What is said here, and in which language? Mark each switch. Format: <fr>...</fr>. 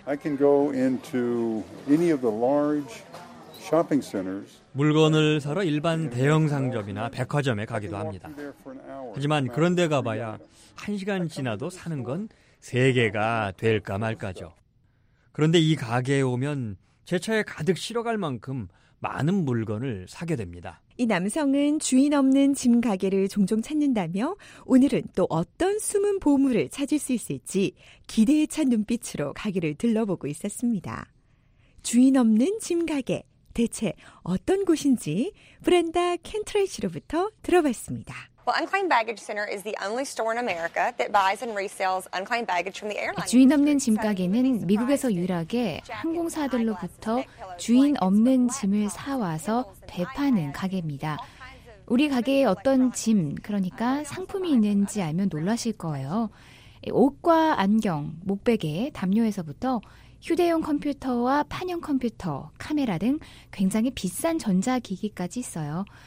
<en>I can go into any of the large shopping centers.</en> <ko>물건을 사러 일반 대형 상점이나 백화점에 가기도 합니다. 하지만 그런 데 가봐야 1시간 지나도 사는 건 3개가 될까 말까죠. 그런데 이 가게에 오면 제 차에 가득 실어갈 만큼 많은 물건을 사게 됩니다. 이 남성은 주인 없는 짐 가게를 종종 찾는다며 오늘은 또 어떤 숨은 보물을 찾을 수 있을지 기대에 찬 눈빛으로 가게를 둘러보고 있었습니다. 주인 없는 짐 가게, 대체 어떤 곳인지 브렌다 켄트레이 씨로부터 들어봤습니다.</ko> <en>Well, Unclaimed Baggage Center is the only store in America that buys and resells unclaimed baggage from the airline.</en> <ko>주인 없는 짐 가게는 미국에서 유일하게 항공사들로부터 주인 없는 짐을 사와서 되파는 가게입니다. 우리 가게에 어떤 짐, 그러니까 상품이 있는지 알면 놀라실 거예요. 옷과 안경, 목베개, 담요에서부터 휴대용 컴퓨터와 판형 컴퓨터, 카메라 등 굉장히 비싼 전자기기까지 있어요.</ko>